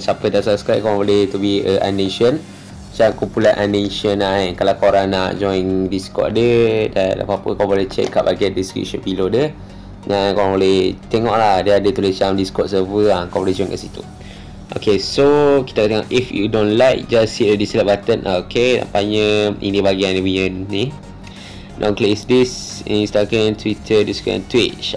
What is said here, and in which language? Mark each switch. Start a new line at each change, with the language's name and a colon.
Malay: Siapa dah subscribe, korang boleh
English: to be a nation.
Malay: Macam kumpulan Unnation lah kan. Kalau korang nak join Discord dia dan apa-apa, korang boleh check kat bagian
English: description below
Malay: dia. Dan korang boleh tengok lah, dia ada tulis macam Discord server lah, korang boleh join kat situ. Okay, so kita tengok.
English: If you don't like, just hit the dislike button.
Malay: Okay, nampaknya ini bahagian dia punya ni.
English: Don't click this. Instagram, Twitter, Discord and Twitch.